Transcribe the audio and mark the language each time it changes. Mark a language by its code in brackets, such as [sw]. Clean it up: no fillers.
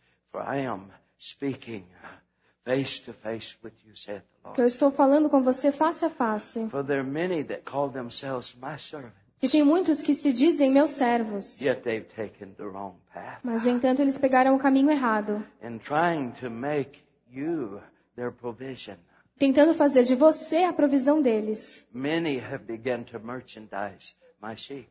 [en] For I am speaking face to face with you, saith the Lord. [pt] Que eu estou falando com você face a face. [en] For there are many that call themselves my servants. [pt] E tem muitos que se dizem meus servos. [en] Yet they've taken the wrong path. [pt] Mas no entanto eles pegaram o caminho errado. [en] In trying to make you their provision. [pt] Tentando fazer de você a provisão deles. [en] Many have begun to merchandise my sheep.